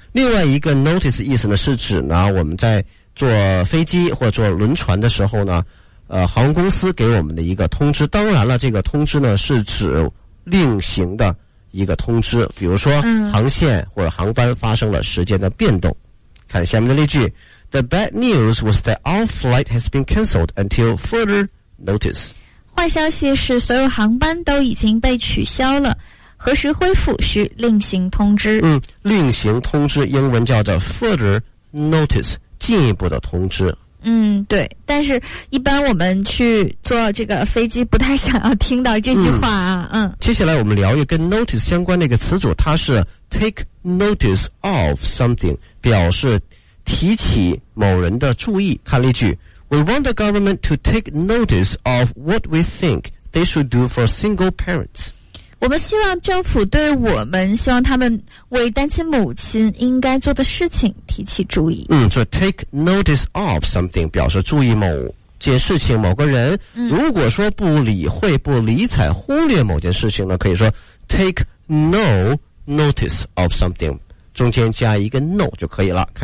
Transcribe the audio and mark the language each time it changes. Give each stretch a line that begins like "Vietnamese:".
Chinese: 另外一个 notice 意思呢是指呢我们在坐飞机或者坐轮船的时候呢航空公司给我们的一个通知，当然了这个通知呢是指另行的一个通知，比如说航线或者航班发生了时间的变动。
English: 看下面的例句， The bad news was that all flight has been cancelled until further notice。
Chinese: 坏消息是所有航班都已经被取消了，何时恢复需另行通知。嗯，另行通知英文叫做
English: further notice，
Chinese: 进一步的通知。嗯，对，但是一般我们去坐这个飞机不太想要听到这句话啊。接下来我们聊一跟 notice 相关的一个词组，它是
English: take notice of something，
Chinese: 表示提起某人的注意。
English: 看例句， We want the government to take notice of what we think they should do for single parents。
Chinese: 我们希望政府对我们希望他们为单亲母亲应该做的事情提起注意。嗯，所以
English: take notice of something
Chinese: 表示注意某件事情某个人。如果说不理会不理睬忽略某件事情呢，可以说
English: take no notice of something，
Chinese: 中间加一个 no 就可以了。